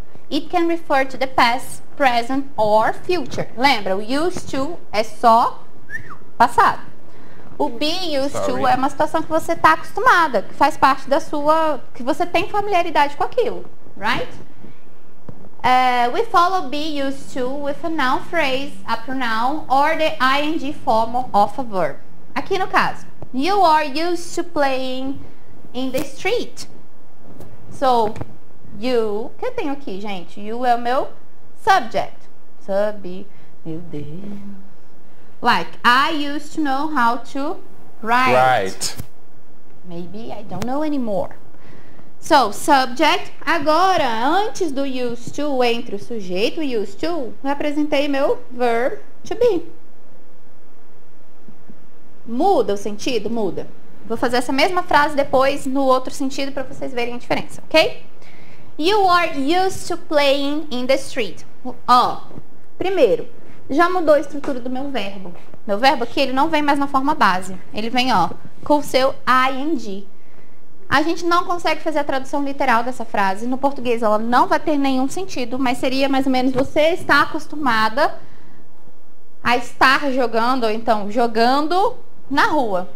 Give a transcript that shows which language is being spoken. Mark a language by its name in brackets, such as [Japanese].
[English] It can refer to the past, present or future. [Portuguese] Lembra, o used to é só passado. O be used to é uma situação que você está acostumada, que faz parte da sua, que você tem familiaridade com aquilo, [English] right? We follow be used to with a noun phrase, a pronoun, or the ing form of a verb. [Portuguese] Aqui no caso, [English] you are used to playing in the street. [Portuguese] So, you, que eu tenho aqui, gente? You é o meu subject. Meu Deus. [English] Like, I used to know how to write. Right. Maybe I don't know anymore. So, subject. [Portuguese] Agora, antes do used to, entre o sujeito e used to, eu apresentei meu verb to be. Muda o sentido? Muda. Vou fazer essa mesma frase depois no outro sentido para vocês verem a diferença, ok? [English] You are used to playing in the street. [Portuguese] Ó, primeiro, já mudou a estrutura do meu verbo. Meu verbo aqui, ele não vem mais na forma base. Ele vem, ó, com o seu ing. A gente não consegue fazer a tradução literal dessa frase. No português, ela não vai ter nenhum sentido, mas seria mais ou menos você está acostumada a estar jogando, ou então jogando na rua.